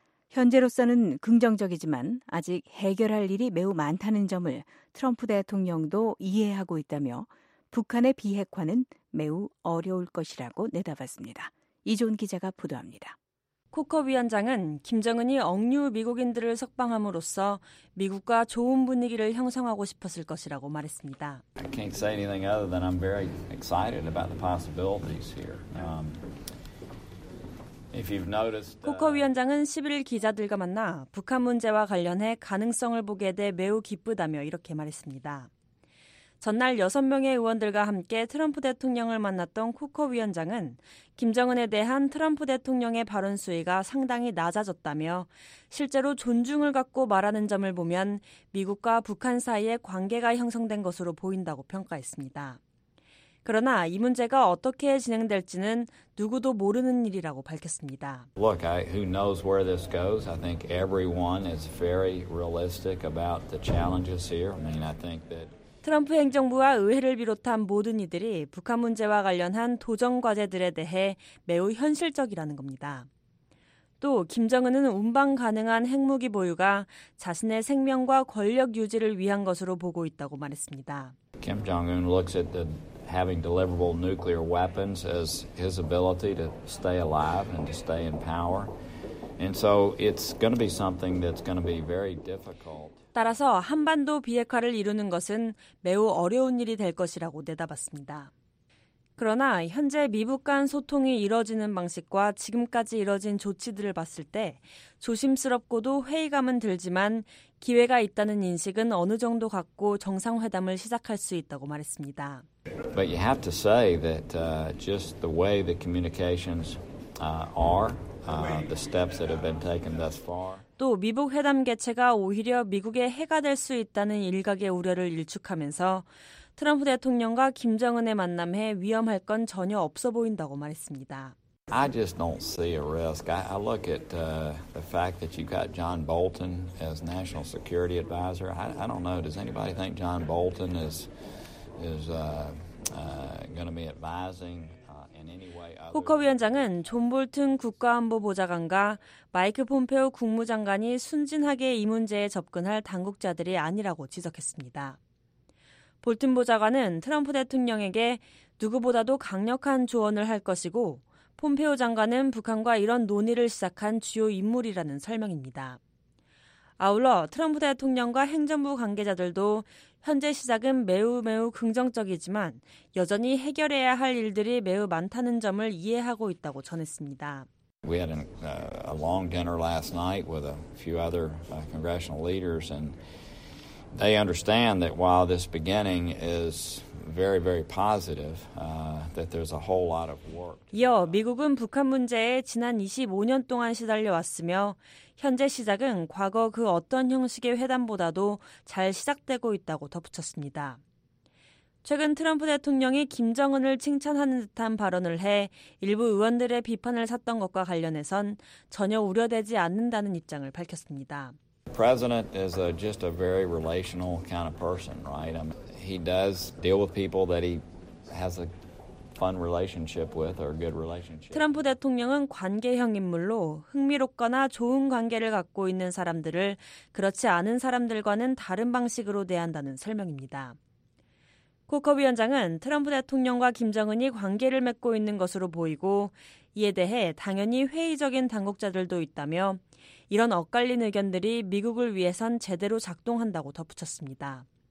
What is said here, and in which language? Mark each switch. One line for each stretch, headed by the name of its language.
Korean: 현재로서는 긍정적이지만 아직 해결할 일이 매우 많다는 점을 트럼프 대통령도 이해하고 있다며 북한의 비핵화는 매우 어려울 것이라고 내다봤습니다. 이존 기자가 보도합니다. 코커 위원장은 김정은이 억류 미국인들을 석방함으로써 미국과 좋은 분위기를 형성하고 싶었을 것이라고 말했습니다.
English: I can't say anything other than I'm very excited about the possibilities here. If you've noticed,
Korean: 코커 위원장은 11일 기자들과 만나 북한 문제와 관련해 가능성을 보게 돼 매우 기쁘다며 이렇게 말했습니다. 전날 6명의 의원들과 함께 트럼프 대통령을 만났던 코커 위원장은 김정은에 대한 트럼프 대통령의 발언 수위가 상당히 낮아졌다며 실제로 존중을 갖고 말하는 점을 보면 미국과 북한 사이의 관계가 형성된 것으로 보인다고 평가했습니다. 그러나 이 문제가 어떻게 진행될지는 누구도 모르는 일이라고 밝혔습니다.
English: Look, who knows where this goes? I think everyone is very realistic about the challenges here. I mean, I think that
Korean: 트럼프 행정부와 의회를 비롯한 모든 이들이 북한 문제와 관련한 도전 과제들에 대해 매우 현실적이라는 겁니다. 또 김정은은 운반 가능한 핵무기 보유가 자신의 생명과 권력 유지를 위한 것으로 보고 있다고 말했습니다.
English: Kim Jong-un looks at the having deliverable nuclear weapons as his ability to stay alive and to stay in power. And so it's going to be something that's going to be very difficult.
Korean: 따라서 한반도 비핵화를 이루는 것은 매우 어려운 일이 될 것이라고 내다봤습니다. 그러나 현재 미북 간 소통이 이뤄지는 방식과 지금까지 이뤄진 조치들을 봤을 때 조심스럽고도 회의감은 들지만 기회가 있다는 인식은 어느 정도 갖고 정상회담을 시작할 수 있다고 말했습니다.
English: But you have to say that just the way the communications are, the steps that have been taken thus far.
Korean: 또 미북 회담 개최가 오히려 미국에 해가 될 수 있다는 일각의 우려를 일축하면서 트럼프 대통령과 김정은의 만남에 위험할 건 전혀 없어 보인다고 말했습니다.
English: I just don't see a risk. I look at the fact that you got John Bolton as National Security Advisor. I don't know. Does anybody think John Bolton is going to be advising?
Korean: 코커 위원장은 존 볼튼 국가안보보좌관과 마이크 폼페오 국무장관이 순진하게 이 문제에 접근할 당국자들이 아니라고 지적했습니다. 볼튼 보좌관은 트럼프 대통령에게 누구보다도 강력한 조언을 할 것이고 폼페오 장관은 북한과 이런 논의를 시작한 주요 인물이라는 설명입니다. 아울러 트럼프 대통령과 행정부 관계자들도 현재 시작은 매우 긍정적이지만 여전히 해결해야 할 일들이 매우 많다는 점을 이해하고 있다고 전했습니다.
English: We had a long dinner last night with a few other congressional leaders and they understand that while this beginning is very very positive that there's a whole lot of work.
Korean: 이어 미국은 북한 문제에 지난 25년 동안 시달려 왔으며 현재 시작은 과거 그 어떤 형식의 회담보다도 잘 시작되고 있다고 덧붙였습니다. 최근 트럼프 대통령이 김정은을 칭찬하는 듯한 발언을 해 일부 의원들의 비판을 샀던 것과 관련해선 전혀 우려되지 않는다는 입장을 밝혔습니다.
English: The president is just a very relational kind of person, right? I mean, he does deal with people that he has a fun relationship with or good relationship.
Korean: 트럼프 대통령은 관계형 인물로 흥미롭거나 좋은 관계를 갖고 있는 사람들을 그렇지 않은 사람들과는 다른 방식으로 대한다는 설명입니다. 코커 위원장은 트럼프 대통령과 김정은이 관계를 맺고 있는 것으로 보이고 이에 대해 당연히 회의적인 당국자들도 있다며 이런 엇갈린 의견들이 미국을 위해선 제대로 작동한다고 덧붙였습니다.